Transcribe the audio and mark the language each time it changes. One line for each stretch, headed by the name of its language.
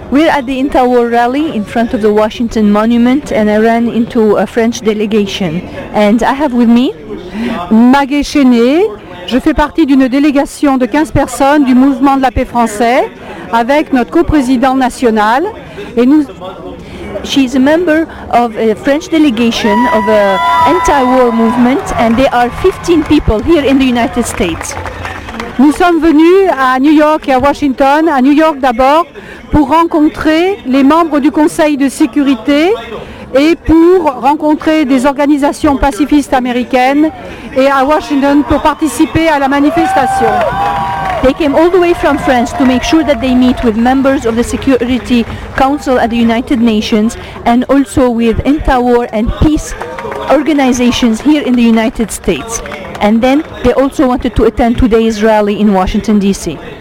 English: We're at the Intawar rally in front of the Washington Monument, and I ran into a French delegation. And I have with me Maggie Chenet.
French: Je fais partie d'une délégation de 15 personnes du Mouvement de la Paix Français avec notre coprésident national. Et nous,
English: she's a member of a French delegation of an anti-war movement, and there are 15 people here in the United States.
French: Nous sommes venus à New York et à Washington, à New York d'abord, pour rencontrer les membres du Conseil de sécurité et pour rencontrer des organisations pacifistes américaines, et à Washington pour participer à la manifestation.
English: They came all the way from France to make sure that they meet with members of the Security Council at the United Nations and also with anti-war and peace organizations here in the United States. And then they also wanted to attend today's rally in Washington DC.